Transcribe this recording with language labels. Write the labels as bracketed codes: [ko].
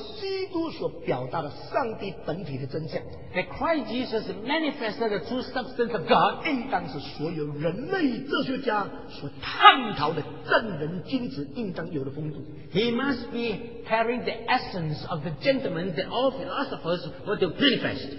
[zh] 基督所表达的上帝本体的真相, [en] that Christ Jesus manifested the true substance of God, [zh] 应当是所有人类哲学家所探讨的正人君子应当有的风度。 [en] He must be carrying the essence of the gentleman that all philosophers were to manifest.